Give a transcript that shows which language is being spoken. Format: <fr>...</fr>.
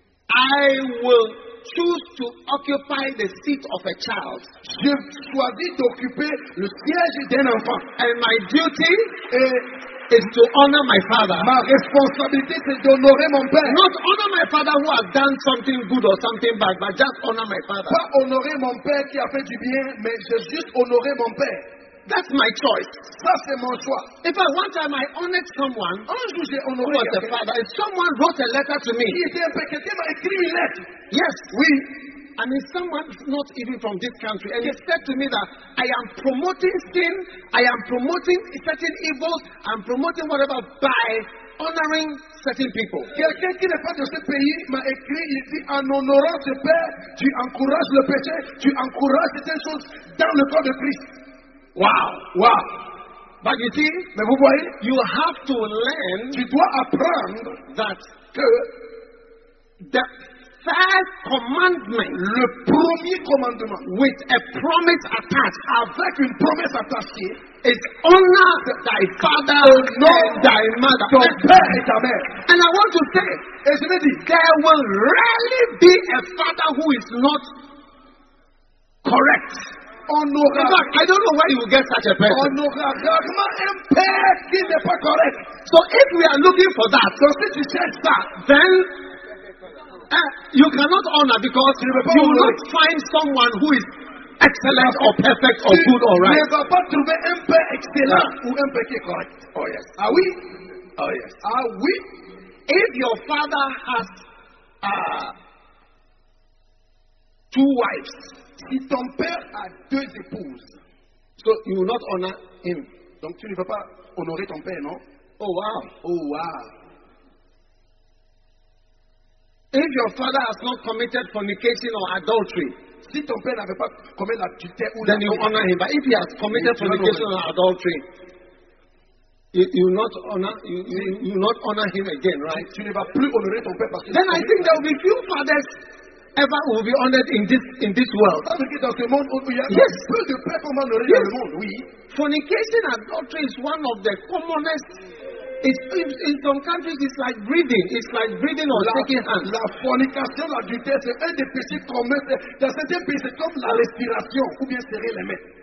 <en>I will choose to occupy the seat of a child.</en> <fr>Je choisis d'occuper le siège d'un enfant.</fr> <en>And my duty is to honor my father.</en> <fr>Ma responsabilité c'est d'honorer mon père.</fr> <en>Not honor my father who has done something good or something bad, but just honor my father.</en> <fr>Pas honorer mon père qui a fait du bien, mais je juste honorer mon père.</fr> <en>That's my choice.</en> <fr>Ça c'est mon choix.</fr> <en>If I one time I honored someone,</en> <fr>un jour j'ai honoré</fr> <en>who was a father, if someone wrote a letter to me,</en> <fr>il était un père, quelqu'un m'a écrit une lettre.</fr> <en>Yes,</en> <fr>oui.</fr> <en>I mean, someone not even from this country, and he said to me that I am promoting sin, I am promoting certain evils, I'm promoting whatever by honoring certain people.</en> <fr>Quelqu'un qui n'est pas de ce pays m'a écrit, il dit, en honorant ce père, tu encourages le péché, tu encourages certaines choses dans le corps de Christ.</fr> <en>Wow. But you see,</en> <fr>mais vous voyez,</fr> <en>you have to learn,</en> <fr>tu dois apprendre</fr> <en>that</en> <fr>que</fr> <en>the first commandment,</en> <fr>le premier commandement,</fr> <en>with a promise attached,</en> <fr>avec une promesse attachée,</fr> <en>is honor thy father, honor thy mother,</en> <fr>ton père et ta mère.</fr> <en>And I want to say, isn't it? There will rarely be a father who is not correct. Honorable. I don't know where you will get such a person.</en> <fr>Honorable. Un père qui n'est pas correct.</fr> <en>So if we are looking for that, so since you said that, then you cannot honor because you will not find someone who is excellent or perfect or good or right.</en> <fr>Tu ne vas pas trouver un père excellent ou un père qui est correct.</fr> <en>Oh yes.</en> <fr>Ah oui?</fr> <en>Oh yes.</en> <fr>Ah oui?</fr> <en>If your father has two wives,</en> <fr>si ton père a deux épouses,</fr> <en>so you will not honor him.</en> <fr>Donc tu ne vas pas honorer ton père, non?</fr> <en>Oh wow. Oh wow. If your father has not committed fornication or adultery,</en> <fr>si ton père n'avait pas commis l'adultère ou</fr> <en>then you honor him. But if he has committed fornication or adultery, you not honor him again, right?</en> <fr>Tu ne vas plus honorer ton père parce que.</fr> <en>Then I think there will be few fathers ever will be honored in this world. Yes.</en> <fr>Plus de pères qu'on va honorer dans le monde. Oui.</fr> <en>Fornication and adultery is one of the commonest. It's in some countries it's like breathing. It's like breathing or taking hands.</en> <fr>La fornication, l'adultère, c'est un des péchés communs. Dans certains pays, c'est comme la respiration ou bien serrer les mains.</fr>